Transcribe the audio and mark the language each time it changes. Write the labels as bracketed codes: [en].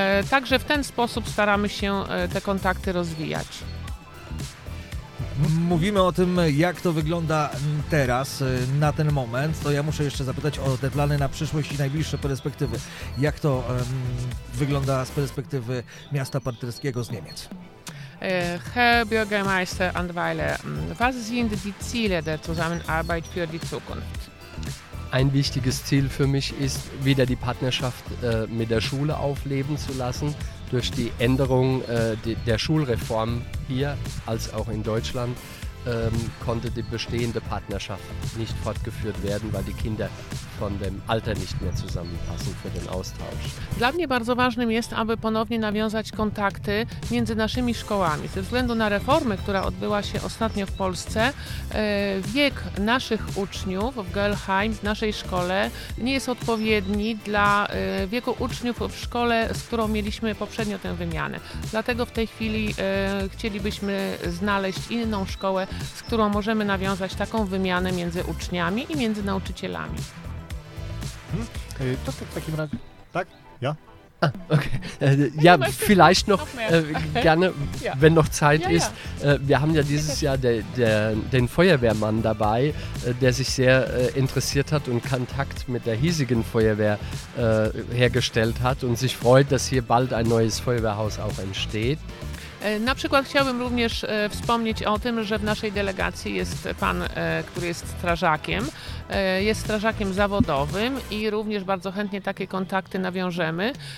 [pl] Także w ten sposób staramy się te kontakty rozwijać. Mówimy o tym, jak to wygląda teraz, na ten moment, to ja muszę jeszcze zapytać o te plany na przyszłość i najbliższe perspektywy. Jak to wygląda z perspektywy miasta partnerskiego z Niemiec? [de] Herr Bürgermeister Andweiler, was sind die Ziele der Zusammenarbeit für die Zukunft? Ein wichtiges Ziel für mich ist, wieder die Partnerschaft mit der Schule aufleben zu lassen. Durch die Änderung der Schulreform hier als auch in Deutschland konnte die bestehende Partnerschaft nicht fortgeführt werden, weil die Kinder von dem Alter nicht mehr zusammenpassen für den Austausch. [pl] Dla mnie bardzo ważnym jest, aby ponownie nawiązać kontakty między naszymi szkołami. Ze względu na reformę, która odbyła się ostatnio w Polsce, wiek naszych uczniów w Gelheim, w naszej szkole, nie jest odpowiedni dla wieku uczniów w szkole, z którą mieliśmy poprzednio tę wymianę. Dlatego w tej chwili chcielibyśmy znaleźć inną szkołę, z którą możemy nawiązać taką wymianę między uczniami i między nauczycielami. To w takim razie... Tak? Ja? Okay. [de] Ja, vielleicht noch gerne, ja. Wenn noch Zeit ja, ist. Ja. Wir haben ja dieses Jahr den Feuerwehrmann dabei, der sich sehr interessiert hat und Kontakt mit der hiesigen Feuerwehr hergestellt hat und sich freut, dass hier bald ein neues Feuerwehrhaus auch entsteht. [pl] Na przykład chciałbym również wspomnieć o tym, że w naszej delegacji jest pan, który jest strażakiem zawodowym i również bardzo chętnie takie kontakty nawiążemy.